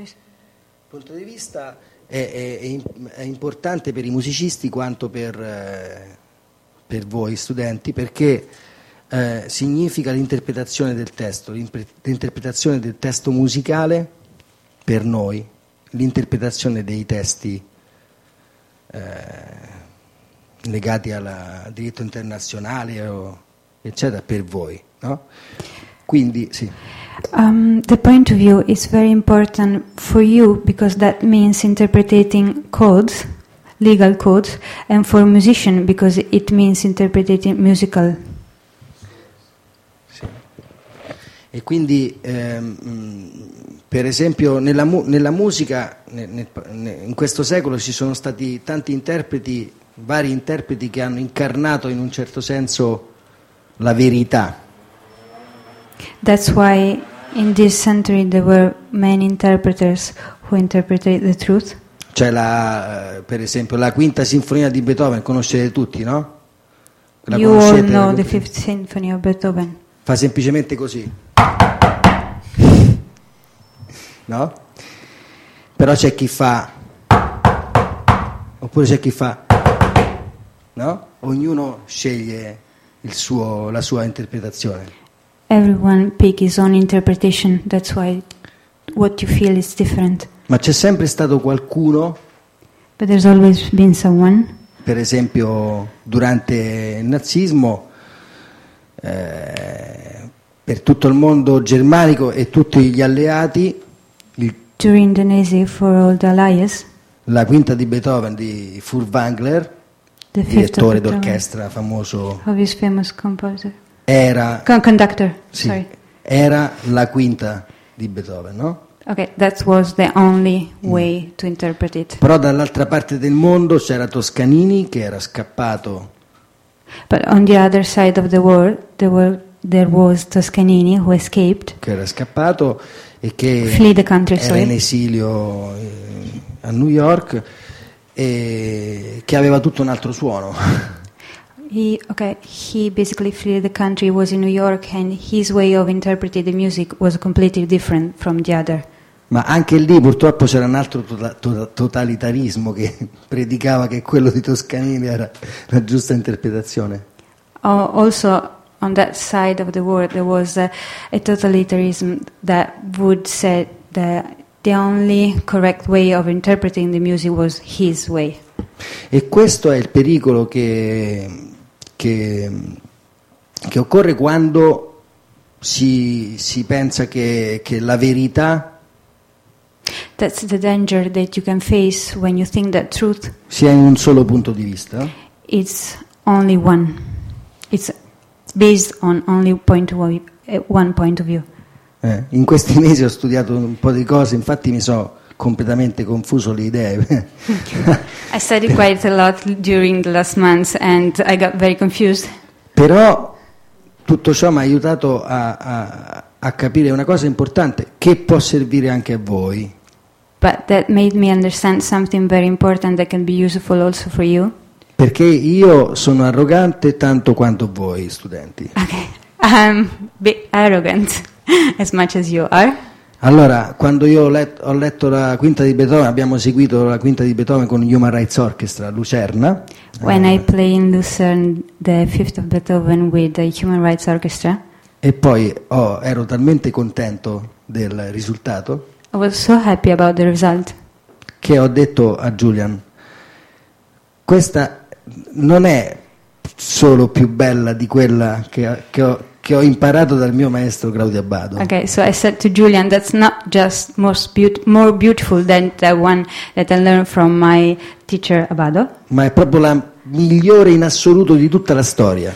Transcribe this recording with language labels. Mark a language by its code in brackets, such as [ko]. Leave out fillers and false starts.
[it] Il punto di vista è importante per i musicisti quanto per voi studenti, perché significa l'interpretazione del testo, l'interpretazione del testo musicale per noi, l'interpretazione dei testi legati al diritto internazionale eccetera per voi, no? Quindi sì. [en] The point of view is very important for you because that means interpreting codes, legal codes, and for musician because it means interpreting musical. [it] Sì. E quindi per esempio nella musica in questo secolo ci sono stati tanti interpreti, vari interpreti che hanno incarnato in un certo senso la verità. [en] That's why in this century there were many interpreters who interpreted the truth. [it] Cioè la, per esempio, la quinta sinfonia di Beethoven, conoscete tutti, no? La [en] you [it] conoscete, [en] all know the fifth symphony of Beethoven. [it] Fa semplicemente così. No? Però c'è chi fa, oppure c'è chi fa, no? Ognuno sceglie la sua interpretazione. [en] Everyone picks his own interpretation, that's why what you feel is different. [it] Ma c'è sempre stato qualcuno. [en] But there's always been someone. [it] Per esempio, durante il nazismo, per tutto il mondo germanico e tutti gli alleati. [en] During the Nazi for all the allies. [it] La quinta di Beethoven di Furtwängler, direttore d'orchestra famoso. [en] Of his famous composer. [it] Era [en] conductor. [it] Sì, [en] sorry. [it] Era la quinta di Beethoven, no? [en] Okay, that was the only way to interpret it. [it] Però dall'altra parte del mondo c'era Toscanini che era scappato. [en] But on the other side of the world, there was Toscanini who escaped. [it] Che era scappato e che [en] flee the country, [it] era [en] sorry. [it] In esilio a New York e che aveva tutto un altro suono. [en] He basically fled the country, was in New York, and his way of interpreting the music was completely different from the other. [it] Ma anche lì purtroppo c'era un altro totalitarismo che predicava che quello di Toscanini era la giusta interpretazione. [en] Also on that side of the world there was a totalitarism that would say that the only correct way of interpreting the music was his way. [it] E questo è il pericolo che occorre quando si pensa che la verità. [en] That's the danger that you can face when you think that truth. [it] Sia in un solo punto di vista. [en] It's only one. It's based on only one point of view. [it] In questi mesi ho studiato un po' di cose, infatti mi sono completamente confuso le idee. [en] I studied quite a lot during the last months and I got very confused. [it] Però tutto ciò mi ha aiutato a capire una cosa importante che può servire anche a voi. [en] But that made me understand something very important that can be useful also for you. [it] Perché io sono arrogante tanto quanto voi, studenti. [en] Okay, I'm a bit arrogant as much as you are. [it] Allora, quando io ho letto la quinta di Beethoven, abbiamo seguito la quinta di Beethoven con Human Rights Orchestra a Lucerna. [en] When I play in Lucerne the fifth of Beethoven with the Human Rights Orchestra. [it] E poi ero talmente contento del risultato. [en] I was so happy about the result. [it] Che ho detto a Julian, questa non è solo più bella di quella che ho imparato dal mio maestro Claudio Abbado. [en] Okay, so I said to Julian, that's not just more beautiful than the one that I learned from my teacher Abbado. [it] Ma è proprio la migliore in assoluto di tutta la storia.